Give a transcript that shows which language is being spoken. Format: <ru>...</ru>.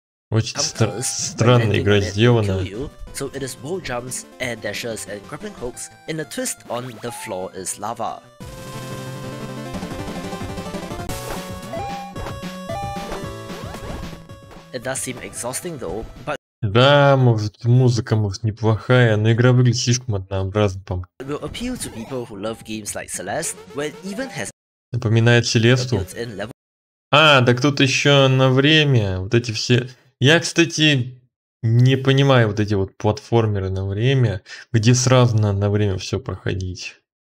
<ru>Очень странная игра сделана.</ru> <en>So it is wall jumps, air dashes, and grappling hooks, and the twist on the floor is lava. It does seem exhausting though, but...</en> <ru>Да, может, музыка, может, неплохая, но игра выглядит слишком однообразно, по-моему.</ru> <en>It will appeal to people who love games like Celeste, where it even has...</en> <ru>Напоминает Селесту? А, так тут еще на время, вот эти все... Я, кстати... Не понимаю вот эти вот платформеры на время, где сразу на время все проходить.</ru>